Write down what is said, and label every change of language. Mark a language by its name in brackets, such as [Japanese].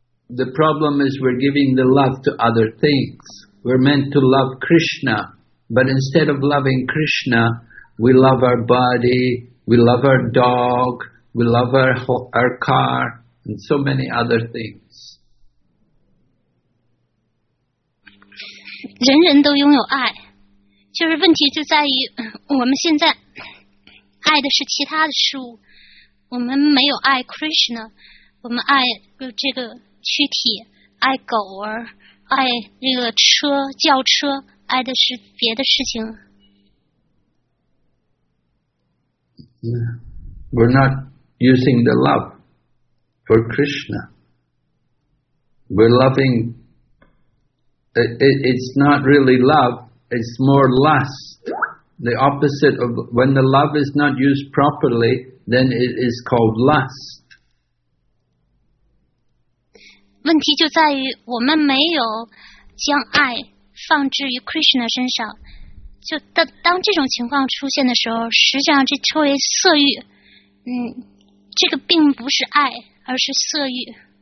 [English] The problem is we're giving the love to other things. We're meant to love Krishna, but instead of loving Krishna, we love our body,We love our dog, we love our car, and so many other things. [Chinese] 人人都拥有爱，就是问题就在于我们现在爱的是其他的事物，我们没有爱 Krishna, 我们爱这个躯体，爱狗儿，爱这个车，轿车，爱的是别的事情。 [English] Yeah. We're not using the love for Krishna. We're loving. It's not really love. It's more lust the opposite of when the love is not used properly, then it is called lust. [Chinese] 问题就在于我们没有将爱放置于 Krishna 身上，就当这种情况出现的时候，实际上这称为色欲。这个并不是爱，而是色欲。